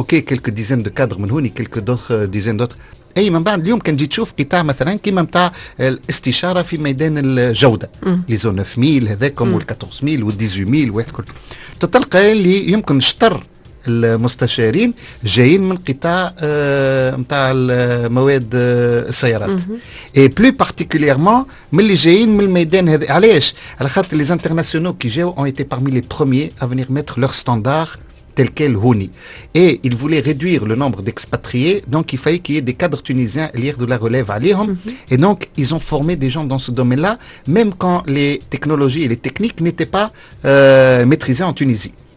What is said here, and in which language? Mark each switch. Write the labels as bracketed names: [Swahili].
[French] Quelques dizaines de cadres, quelques d'autres dizaines d'autres. [Arabic] اي من بعد اليوم كان جيت تشوف قطاع مثلا كيما نتاع الاستشاره في ميدان الجوده لي زون 9000 هذاكم وال 14000 وال 18000 وهكا، تلقى اللي يمكن شطر المستشارين جايين من قطاع نتاع المواد السيارات اي [French] بلو بارتيكولييرمون [Arabic] ملي جايين من الميدان هذا. علاش؟ على خاطر [French] لي زانترناسيونو [Arabic] كي جاو [French] اون ايتي parmi les premiers à venir mettre leur standard tel quel Houni. Et il voulait réduire le nombre d'expatriés, donc il fallait qu'il y ait des cadres tunisiens lire de la relève à Lihom. Mm-hmm. Et donc, ils ont formé des gens dans ce domaine-là, même quand les technologies et les techniques n'étaient pas maîtrisées en Tunisie.